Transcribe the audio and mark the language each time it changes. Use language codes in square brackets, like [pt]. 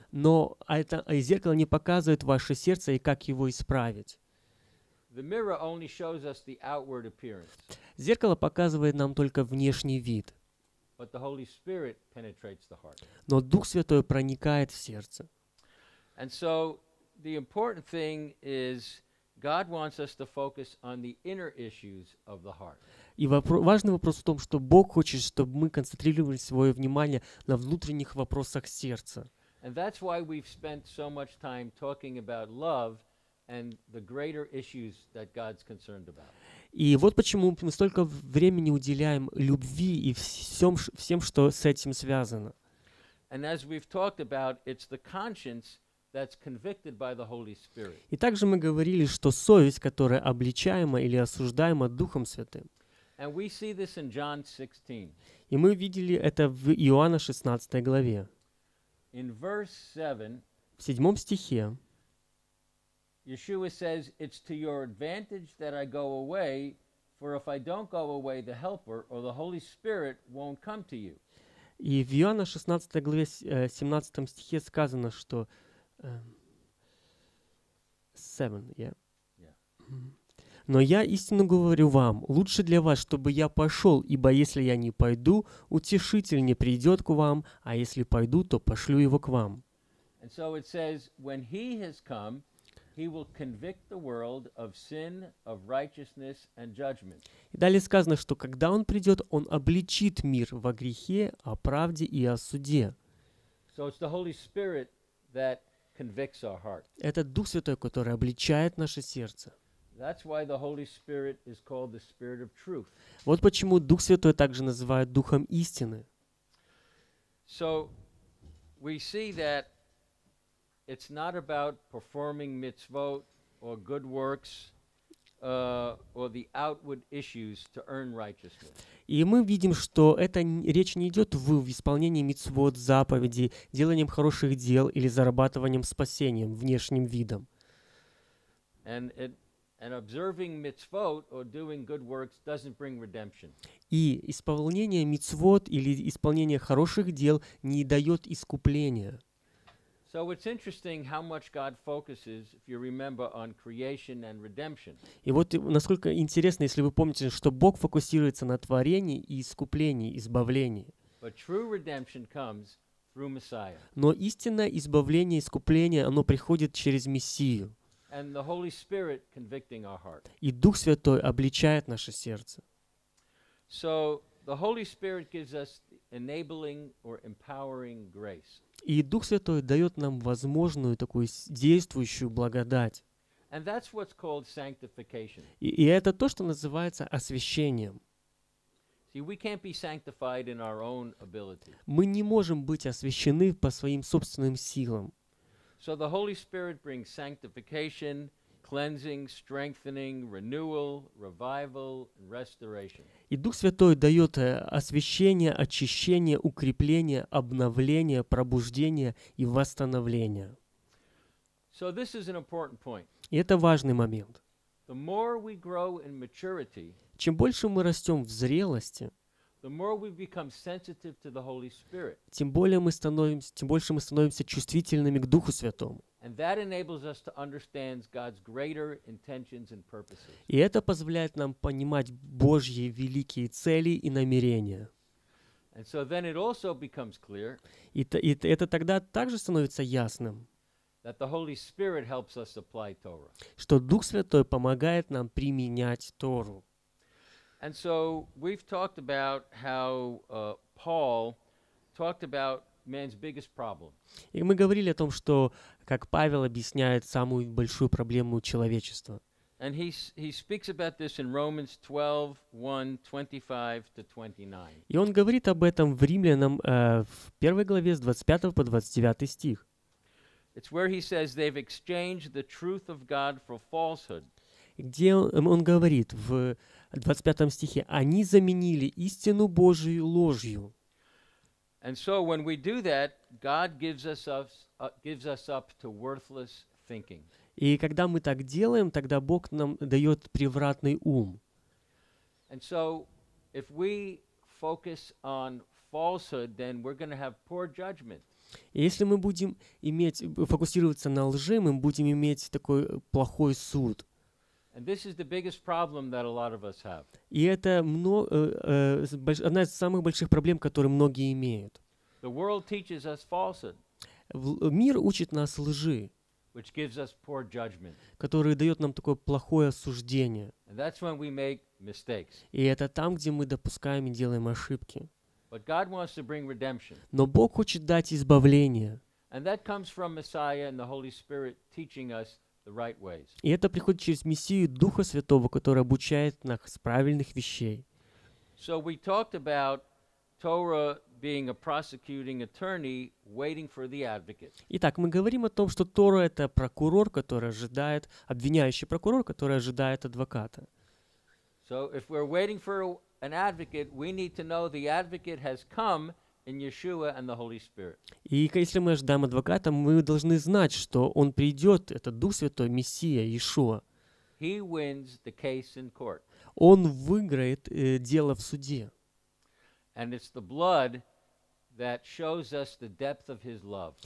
[ru] Но зеркало не показывает ваше сердце и как его исправить. [en] The mirror only shows us the outward appearance. [ru] Зеркало показывает нам только внешний вид. [en] But the Holy Spirit penetrates the heart. [ru] Но Дух Святой проникает в сердце. [en] And so the important thing is God wants us to focus on the inner issues of the heart. [ru] И важный вопрос в том, что Бог хочет, чтобы мы концентрировали свое внимание на внутренних вопросах сердца. [en] And that's why we've spent so much time talking about love and the greater issues that God's concerned about. [ru] И вот почему мы столько времени уделяем любви и всем, что с этим связано. [en] And as we've talked about, it's the conscience that's convicted by the Holy Spirit. [ru] И также мы говорили, что совесть, которая обличаема или осуждаема Духом Святым. [en] And we see this in John 16. [ru] И мы видели это в Иоанна 16 главе. [en] In verse 7, [ru] в 7 стихе [en] Yeshua says, it's to your advantage that I go away, for if I don't go away, the Helper or the Holy Spirit won't come to you. [ru] И в Иоанна 16 главе 17 стихе сказано, что 7, Но я истинно говорю вам, лучше для вас, чтобы я пошел, ибо если я не пойду, утешитель не придет к вам, а если пойду, то пошлю его к вам. [en] And so it says, when he has come, he will convict the world of sin, of righteousness and judgment. [ru] И далее сказано, что когда он придет, он обличит мир во грехе, о правде и о суде. [en] So it's the Holy Spirit that convicts our heart. [ru] Это Дух Святой, который обличает наше сердце. [en] That's why the Holy Spirit is called the Spirit of Truth. [ru] Вот почему Дух Святой также называют Духом Истины. [en] So we see that it's not about performing mitzvot or good works or the outward issues to earn righteousness. [ru] И мы видим, что эта речь не идет в исполнении мицвот, заповедей, деланием хороших дел или зарабатыванием спасения внешним видом. [en] And observing mitzvot or doing good works doesn't bring redemption. [ru] И исполнение мицвот или исполнение хороших дел не дает искупления. [en] So it's interesting how much God focuses, if you remember, on creation and redemption. [ru] И вот насколько интересно, если вы помните, что Бог фокусируется на творении и искуплении, избавлении. [en] But true redemption comes through Messiah. [ru] Но истинное избавление, искупление, оно приходит через Мессию. [en] And the Holy Spirit convicting our heart. [ru] И Дух Святой обличает наше сердце. [en] So the Holy Spirit gives us enabling or empowering grace. [ru] И Дух Святой дает нам возможную такую действующую благодать. [en] And that's what's called sanctification. [ru] И это то, что называется освящением. [en] See, we can't be sanctified in our own ability. [ru] Мы не можем быть освящены по своим собственным силам. [en] So the Holy Spirit brings sanctification, cleansing, strengthening, renewal, revival, restoration. [ru] И Дух Святой дает освящение, очищение, укрепление, обновление, пробуждение и восстановление. [en] So this is an important point. [ru] И это важный момент. [en] The more we grow in maturity, [ru] чем больше мы растем в зрелости, [en] the more we become sensitive to the Holy Spirit. [ru] Тем больше мы становимся чувствительными к Духу Святому. [en] And that enables us to understand God's greater intentions and purposes. [ru] И это позволяет нам понимать Божьи великие цели и намерения. [en] And so then it also becomes clear. [ru] И это тогда также становится ясным. [en] That the Holy Spirit helps us apply Torah. [ru] Что Дух Святой помогает нам применять Тору. [en] And so we've talked about how Paul talked about man's biggest problem. [ru] И мы говорили о том, что как Павел объясняет самую большую проблему человечества. [en] And he speaks about this in Romans 12:1, 25-29. [ru] И он говорит об этом в Римлянам в первой главе с 25 по 29 стих. [en] It's where he says they've exchanged the truth of God for falsehood. [ru] Где он говорит в 25 стихе, они заменили истину Божию ложью. [en] And so when we do that, God gives us up to worthless thinking. [ru] И когда мы так делаем, тогда Бог нам дает превратный ум. [en] And so if we focus on falsehood, then we're going to have poor judgment. [ru] Если мы будем фокусироваться на лжи, мы будем иметь такой плохой суд. [en] And this is the biggest problem that a lot of us have. [ru] И это одна из самых больших проблем, которые многие имеют. [en] The world teaches us falsehood. [ru] Мир учит нас лжи. [en] which gives us poor judgment. [ru] Который дает нам такое плохое осуждение. [en] And that's when we make mistakes. [ru] И это там, где мы допускаем и делаем ошибки. [en] But God wants to bring redemption. [ru] Но Бог хочет дать избавление. [en] And that comes from Messiah and the Holy Spirit teaching us the right ways. [ru] И это приходит через Мессию Духа Святого, который обучает нас правильных вещей. [en] So we talked about Torah being a prosecuting attorney waiting for the advocate. [ru] Итак, мы говорим о том, что Тора — это прокурор, который ожидает, обвиняющий прокурор, который ожидает адвоката. [en] So if we're waiting for an advocate, we need to know the advocate has come in Yeshua and the Holy Spirit. [ru] И если мы ожидаем адвоката, мы должны знать, что он придет, это Дух Святой, Мессия, Иешуа. [en] He wins the case in court. [ru] Он выиграет дело в суде. [en] And it's the blood that shows us the depth of his love.